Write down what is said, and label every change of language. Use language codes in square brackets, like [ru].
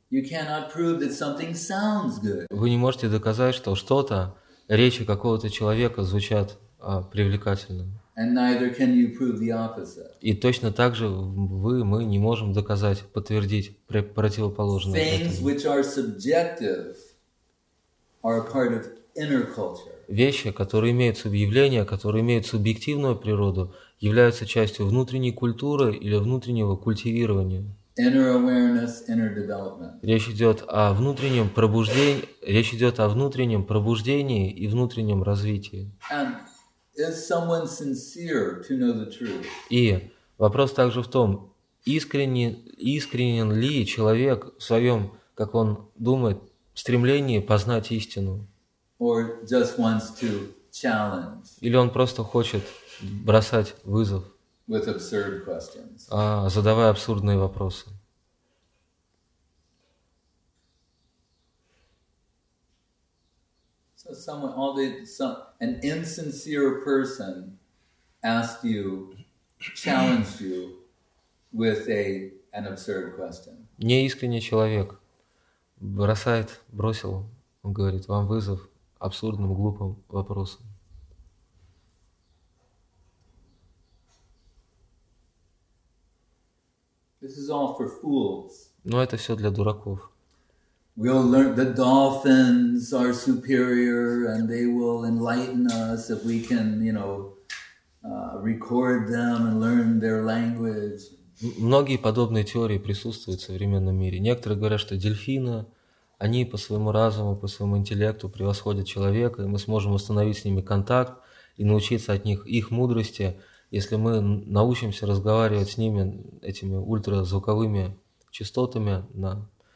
[en] You cannot prove that something sounds good. [ru] Вы не можете доказать, что что-то, речи какого-то человека звучат привлекательно. [en] And neither can you prove the opposite. [ru] И точно так же мы не можем доказать, подтвердить противоположное. [en] Things which are subjective are a part of inner culture. [ru] Вещи, которые имеют субъявление, которые имеют субъективную природу, являются частью внутренней культуры или внутреннего культивирования. [en] Inner awareness, inner development. [ru] Речь идет о внутреннем пробуждении и внутреннем развитии. [en] Is someone sincere to know the truth? [ru] И вопрос также в том, искренен ли человек в своем, как он думает, стремлении познать истину? [en] Or just wants to challenge? [ru] Или он просто хочет бросать вызов? [en] With absurd questions. [ru] Задавая абсурдные вопросы. [en] An insincere person asked you, challenged you with an absurd question. [ru] Неискренний человек бросил, он говорит, вам вызов абсурдным, глупым вопросом. [en] This is all for fools. [ru] Но это все для дураков. [en] We'll learn the dolphins are superior, and they will enlighten us if we can, record them and learn their language. [ru] Многие подобные теории присутствуют в современном мире. Некоторые говорят, что дельфины, они по своему разуму, по своему интеллекту превосходят человека, и мы сможем установить с ними контакт и научиться от них их мудрости, если мы научимся разговаривать с ними этими ультразвуковыми частотами на.